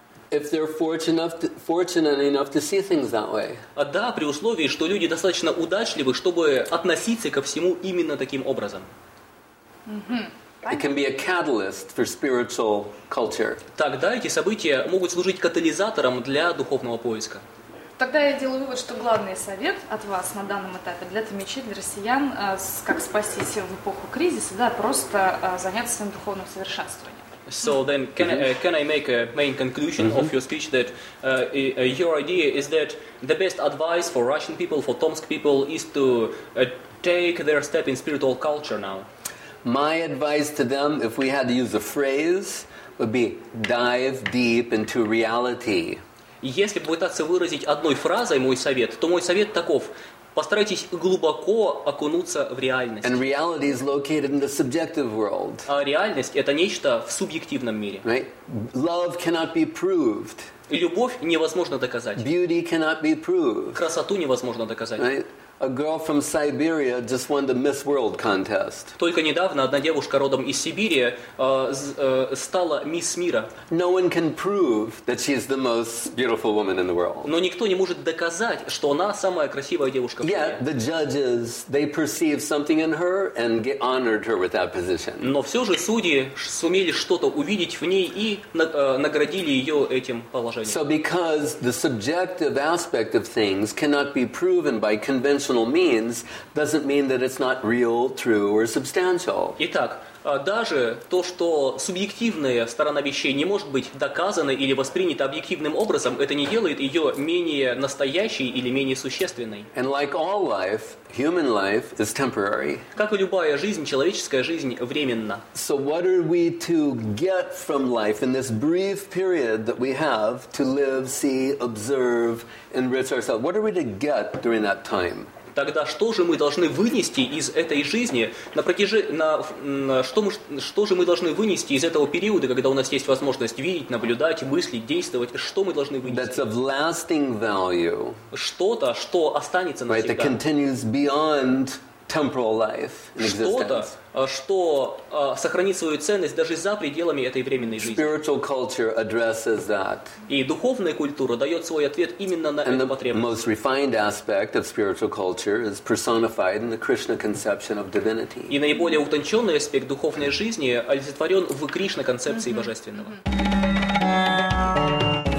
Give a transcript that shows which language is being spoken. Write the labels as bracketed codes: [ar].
[en] If they're fortunate enough to see things that way. [ru] Да, при условии, что люди достаточно удачливы, чтобы относиться ко всему именно таким образом. [en] It can be a catalyst for spiritual culture. [ru] Тогда эти события могут служить катализатором для духовного поиска. Тогда я делаю вывод, что главный совет от вас на данном этапе для тамичей, для россиян, как спастись в эпоху кризиса, да, просто заняться своим духовным совершенствованием. [en] So then, can I make a main conclusion mm-hmm. of your speech that your idea is that the best advice for Russian people, for Tomsk people, is to take their step in spiritual culture now? My advice to them, if we had to use a phrase, would be dive deep into reality. [ru] Если попытаться выразить одной фразой мой совет, то мой совет таков: постарайтесь глубоко окунуться в реальность. [en] And reality is located in the subjective world. [ru] А реальность — это нечто в субъективном мире. [en] Right? Love cannot be proved. [ru] Любовь невозможно доказать. [en] Beauty cannot be proved. [ru] Красоту невозможно доказать. [en] Right? A girl from Siberia just won the Miss World contest. [ru] Только недавно одна девушка родом из Сибири стала мисс мира. [en] No one can prove that she is the most beautiful woman in the world. [ru] Но никто не может доказать, что она самая красивая девушка в мире. [en] Yeah, the judges, they perceived something in her and honored her with that position. [ru] Но все же судьи сумели что-то увидеть в ней и наградили ее этим положением. [en] So because the subjective aspect of things cannot be proven by convincing means doesn't mean that it's not real, true, or substantial. [ru] Итак, даже то, что субъективная сторона вещей не может быть доказана или воспринята объективным образом, это не делает ее менее настоящей или менее существенной. [en] And like all life, human life is temporary. [ru] Как и любая жизнь, человеческая жизнь временна. [en] So what are we to get from life in this brief period that we have to live, see, observe, enrich ourselves? What are we to get during that time? [ru] Тогда что же мы должны вынести из этой жизни что же мы должны вынести из этого периода, когда у нас есть возможность видеть, наблюдать, мыслить, действовать? Что мы должны вынести? [en] That's of lasting value. [ru] Что-то, что останется навсегда. [en] Right, that continues beyond temporal life in existence. [ru] Что-то, что сохранит свою ценность даже за пределами этой временной жизни. [en] Spiritual culture addresses that. [ru] И духовная культура дает свой ответ именно на эту потребность. [en] Most refined aspect of spiritual culture is personified in the Krishna conception of divinity. [ru] И наиболее утонченный аспект духовной жизни олицетворен в Кришна-концепции божественного.